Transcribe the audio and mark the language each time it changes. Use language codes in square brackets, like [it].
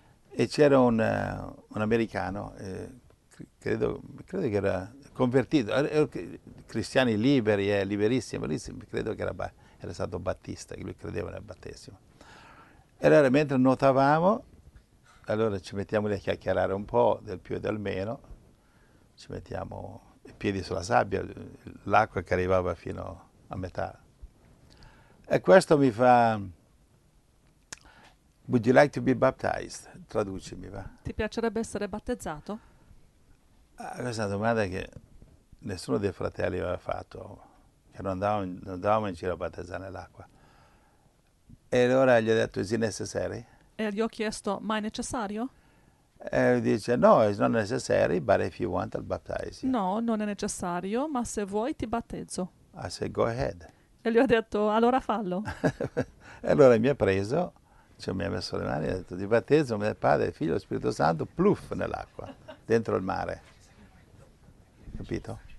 [it] E c'era un americano, credo che era convertito, cristiani liberi, liberissimi, credo che era stato Battista, che lui credeva nel battesimo. E allora, mentre nuotavamo, allora ci mettiamo lì a chiacchierare un po', del più e del meno, ci mettiamo i piedi sulla sabbia, l'acqua che arrivava fino a metà. E questo mi fa, [en] Would you like to be baptized? [it] Traducimi, va. Ti piacerebbe essere battezzato? Questa è una domanda che nessuno dei fratelli aveva fatto. Non andavamo in giro a battezzare nell'acqua. E allora gli ho detto, [en] is it necessary? [it] E gli ho chiesto, ma è necessario? E lui dice, [en] no, it's not necessary, but if you want, I'll baptize you. [it] No, non è necessario, ma se vuoi ti battezzo. [en] I said, go ahead. [it] E gli ho detto, allora fallo. E allora mi ha preso, cioè mi ha messo le mani, e ha detto, ti battezzo, nel Padre, Figlio, Spirito Santo, pluff, nell'acqua, dentro il mare. Capito?